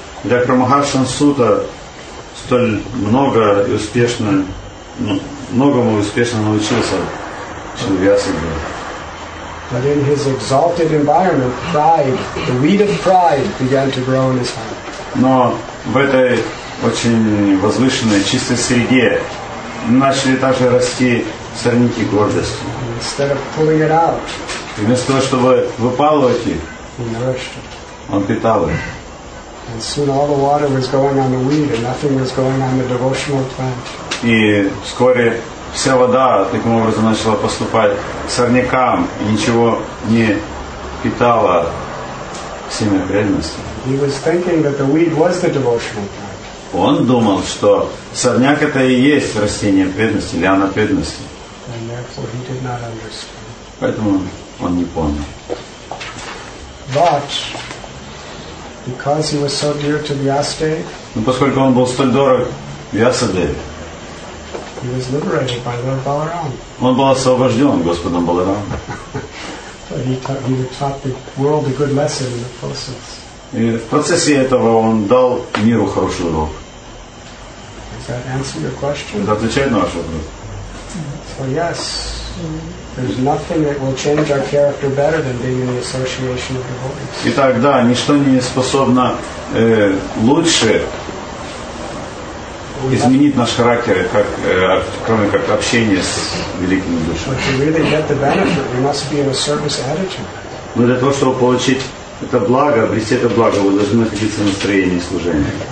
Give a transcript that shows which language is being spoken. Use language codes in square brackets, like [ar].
[ru] Итак, Лама Харшан Сута столь много и успешно, многому успешно научился, чем Вьяса был. [en] But in his exalted environment, pride, the weed of pride began to grow in his heart. [ru] Но в этой очень возвышенной, чистой среде начали также расти сорняки гордости. [en] Instead of pulling it out, [ru] вместо того, чтобы выпалывать их, он питал их. [en] And soon all the water was going on the weed, and nothing was going on the devotional plant. [ru] И вскоре вся вода таким образом начала поступать сорнякам, и ничего не питало семя преданности. [en] He was thinking that the weed was the devotional plant. [ru] Он думал, что сорняк это и есть растение преданности, лиана преданности. [en] And therefore he did not understand. [ru] Поэтому он не понял. [en] But because he was so dear to Vyasadeva, [ru] но поскольку он был столь дорог Вьясадеве, [en] he was liberated by Lord Balaram. [ru] Он был освобожден Господом Баларамом. [en] So he taught the world a good lesson in the process. [ru] И в процессе этого он дал миру хороший урок. [en] Does that answer your question? [ru] Это отвечает на ваш вопрос. [en] So yes, there's nothing that will change our character better than being in the association of devotees. [ru] Итак, да, ничто не способно лучше изменить наш характер, как, кроме как общение с великими душами. [en] But to really get the benefit, we must be in a service attitude. [ru] Но для того, чтобы получить это благо, обрести это благо, вы должны находиться в настроении служения.